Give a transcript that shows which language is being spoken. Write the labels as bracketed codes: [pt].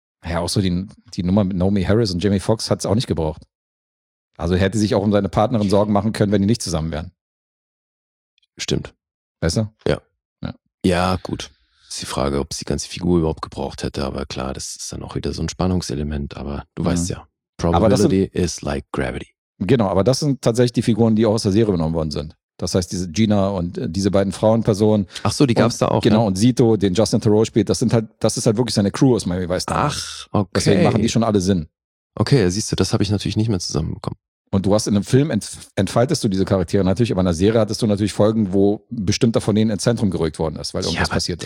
[de] Ja, auch so die Nummer mit Naomi Harris und Jamie Foxx hat es auch nicht gebraucht. Also er hätte sich auch um seine Partnerin Sorgen machen können, wenn die nicht zusammen wären. Stimmt. Besser? Ja. Ja, gut. Ist die Frage, ob es die ganze Figur überhaupt gebraucht hätte, aber klar, das ist dann auch wieder so ein Spannungselement, aber du weißt ja. [en] Probability is like gravity. [de] Genau, aber das sind tatsächlich die Figuren, die auch aus der Serie genommen worden sind. Das heißt, diese Gina und diese beiden Frauenpersonen. Ach so, die gab es da auch. Genau, ne? Und Zito, den Justin Theroux spielt, das ist halt wirklich seine Crew aus Miami Vice. Ach, okay. Deswegen machen die schon alle Sinn. Okay, siehst du, das habe ich natürlich nicht mehr zusammenbekommen. Und du hast in einem Film entfaltest du diese Charaktere natürlich, aber in einer Serie hattest du natürlich Folgen, wo bestimmter von denen ins Zentrum gerückt worden ist, weil irgendwas passiert ist.